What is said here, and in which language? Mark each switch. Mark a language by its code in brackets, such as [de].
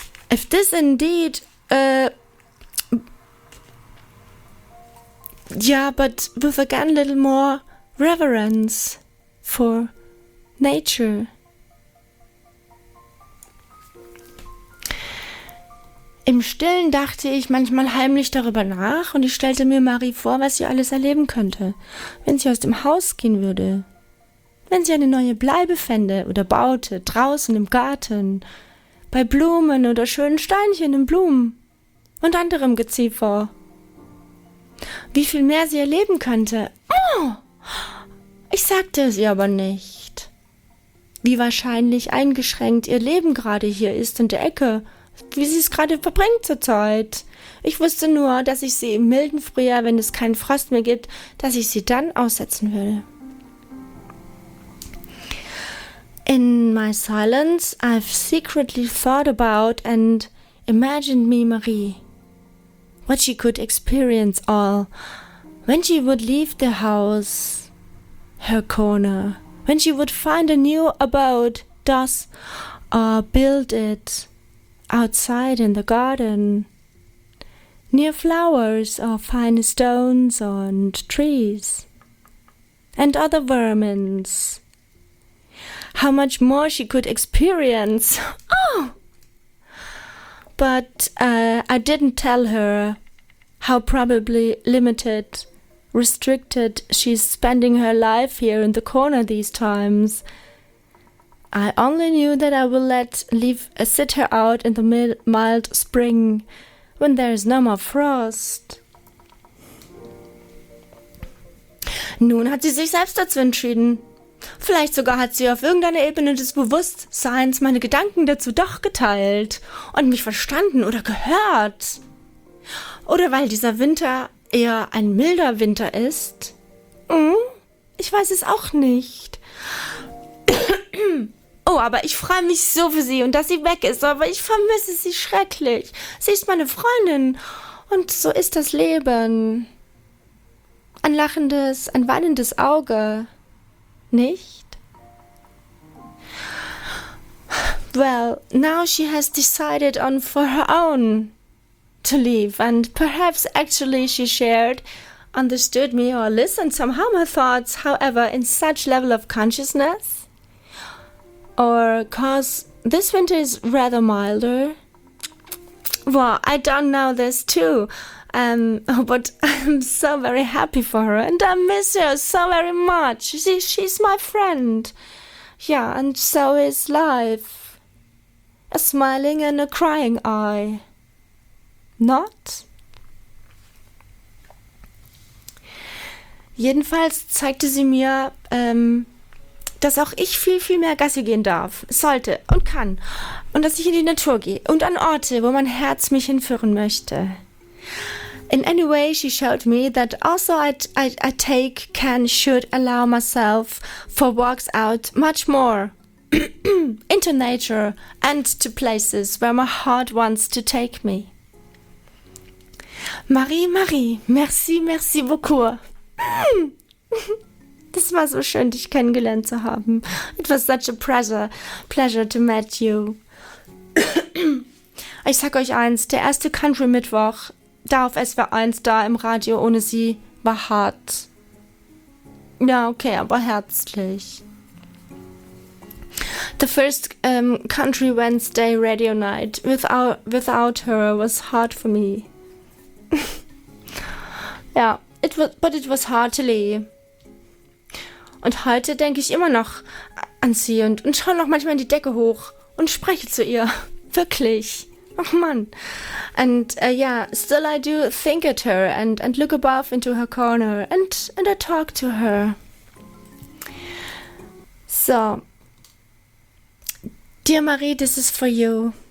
[en] If this indeed, yeah, but with again a little more reverence for nature. [de] Im Stillen dachte ich manchmal heimlich darüber nach und ich stellte mir Marie vor, was sie alles erleben könnte, wenn sie aus dem Haus gehen würde. Wenn sie eine neue Bleibe fände oder baute, draußen im Garten, bei Blumen oder schönen Steinchen im Blumen und anderem Geziefer. Wie viel mehr sie erleben könnte. Oh! Ich sagte es ihr aber nicht. Wie wahrscheinlich eingeschränkt ihr Leben gerade hier ist in der Ecke, wie sie es gerade verbringt zurzeit. Ich wusste nur, dass ich sie im milden Frühjahr, wenn es keinen Frost mehr gibt, dass ich sie dann aussetzen will. [en] In my silence, I've secretly thought about and imagined me, Marie. What she could experience all. When she would leave the house, her corner. When she would find a new abode, thus, or build it outside in the garden. Near flowers or fine stones and trees. And other vermins. How much more she could experience. Oh! But I didn't tell her how probably limited, restricted she's spending her life here in the corner these times. I only knew that I will sit her out in the mild spring when there is no more frost. [de] Nun hat sie sich selbst dazu entschieden. Vielleicht sogar hat sie auf irgendeiner Ebene des Bewusstseins meine Gedanken dazu doch geteilt und mich verstanden oder gehört. Oder weil dieser Winter eher ein milder Winter ist. Ich weiß es auch nicht. Oh, aber ich freue mich so für sie und dass sie weg ist, aber ich vermisse sie schrecklich. Sie ist meine Freundin und so ist das Leben. Ein lachendes, ein weinendes Auge. Nicht? [en] Well, now she has decided on for her own to leave, and perhaps actually she shared, understood me, or listened somehow my thoughts, however, in such level of consciousness. Or 'cause this winter is rather milder. Well, I don't know this too, but I'm so very happy for her, and I miss her so very much. She's my friend. Yeah, and so is life. A smiling and a crying eye. Not? [de] Jedenfalls zeigte sie mir, dass auch ich viel, viel mehr Gassi gehen darf, sollte und kann. Und dass ich in die Natur gehe und an Orte, wo mein Herz mich hinführen möchte. [en] In any way, she showed me that also I take, can, should allow myself for walks out much more into nature and to places where my heart wants to take me. [fr] Marie, Marie, merci, merci beaucoup. [de] Das war so schön, dich kennengelernt zu haben. [en] It was such a pleasure to meet you. [de] Ich sag euch eins, der erste Country-Mittwoch da auf SWR1 da im Radio ohne sie war hart. Ja, okay, aber herzlich. [en] The first Country Wednesday Radio Night without her was hard for me. Ja, it was hard to leave. [de] Und heute denke ich immer noch an sie und schaue noch manchmal in die Decke hoch und spreche zu ihr. Wirklich. Oh Mann. [en] And yeah, still I do think at her and look above into her corner and I talk to her. So. Dear Marie, this is for you.